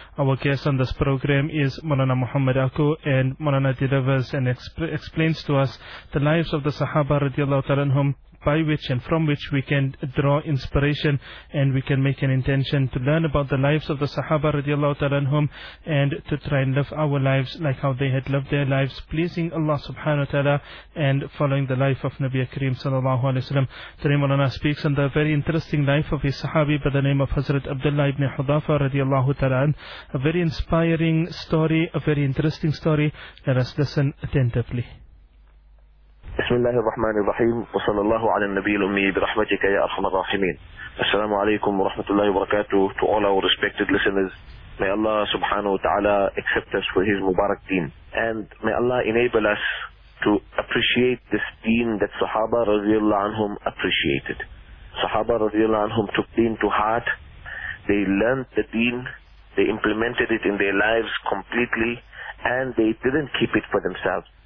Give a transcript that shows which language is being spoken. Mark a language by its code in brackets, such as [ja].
[en] Our guest on this program is Mulana Muhammad Aku, and Mulana delivers and explains to us the lives of the Sahaba radiallahu ta'ala anhum, by which and from which we can draw inspiration and we can make an intention to learn about the lives of the Sahaba radiallahu ta'ala anhum and to try and live our lives like how they had lived their lives, pleasing Allah subhanahu wa ta'ala and following the life of Nabi Kareem sallallahu alayhi wa sallam. Today Mawlana speaks on the very interesting life of a Sahabi by the name of Hazrat Abdullah ibn Hudhafa radiallahu ta'ala an. A very inspiring story, a very interesting story. Let us listen attentively. [ar] بسم الله الرحمن الرحيم وصلى الله على النبي الأمي برحمتك يا أرحم الراحمين السلام عليكم ورحمة الله وبركاته [en] to all our respected listeners. May Allah subhanahu wa ta'ala accept us for his mubarak deen, and may Allah enable us to appreciate this deen that Sahaba رضي الله عنهم appreciated. Sahaba رضي الله عنهم took deen to heart. They learned the deen, they implemented it in their lives completely, and they didn't keep it for themselves.